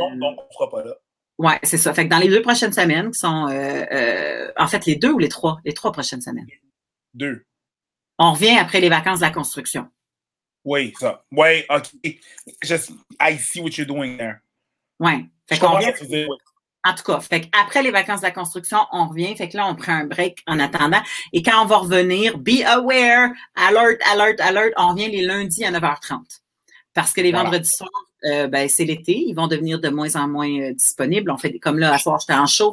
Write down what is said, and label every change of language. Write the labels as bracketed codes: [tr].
[fr] Donc, on ne fera pas là. Ouais, c'est ça. Fait que dans les 2 prochaines semaines, qui sont en fait, les 2 ou les 3? Les 3 prochaines semaines. 2. On revient après les vacances de la construction. Oui, ça. Oui, OK. [en] Just, I see what you're doing there. [fr] Oui. Fait qu'on revient. En tout cas, fait qu'après les vacances de la construction, on revient. Fait que là, on prend un break en attendant. Et quand on va revenir, [en] be aware, alert, alert, alert, [fr] on revient les lundis à 9h30. Parce que les vendredis soirs, ben, c'est l'été. Ils vont devenir de moins en moins disponibles. On fait comme là, à soir, j'étais en show.